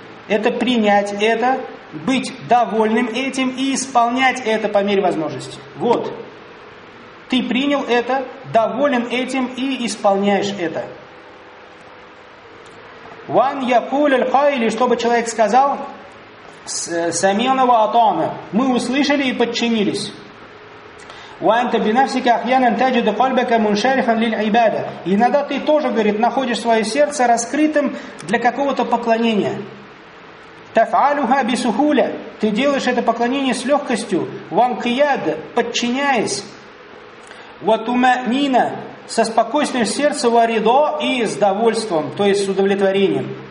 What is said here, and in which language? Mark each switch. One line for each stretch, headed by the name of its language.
Russian: Это принять это, быть довольным этим и исполнять это по мере возможности. Вот. Ты принял это, доволен этим и исполняешь это.
Arabic: «Ван якуль аль-хайли»,
Russian: чтобы человек сказал
Arabic: «самина ва атана»,
Russian: мы услышали и подчинились.
Arabic: وانت بنفسك احيانا تجد قلبك منشرحا للعباده.
Russian: Иногда ты тоже, говорит, находишь свое сердце раскрытым для какого-то поклонения.
Arabic: تفعلها بسهوله.
Russian: Ты делаешь это поклонение с легкостью. وانقياد, подчиняясь. وطمأنينة, со спокойствием сердца. ورضاه, и с довольством, то есть с удовлетворением.